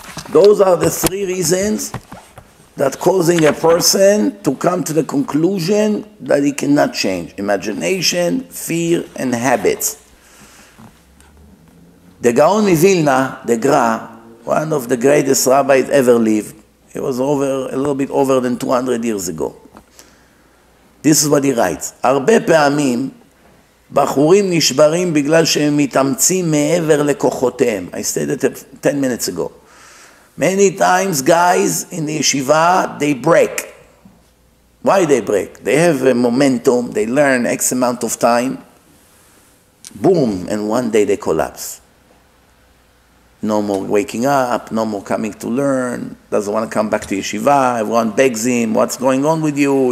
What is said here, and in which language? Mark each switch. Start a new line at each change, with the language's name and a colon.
English: Those are the three reasons that causing a person to come to the conclusion that he cannot change. Imagination, fear, and habits. The Gaon Mivilna, the Gra, one of the greatest rabbis ever lived, it was over a little bit over than 200 years ago. This is what he writes.
Hebrew: הרבה פעמים בחורים נשברים בגלל שהם מתאמצים מעבר לכוחותיהם.
English: I said it 10 minutes ago. Many times guys in the yeshiva, they break. Why they break? They have a momentum, they learn X amount of time. Boom, and one day they collapse. No more waking up, no more coming to learn, doesn't want to come back to yeshiva, everyone begs him, what's going on with you?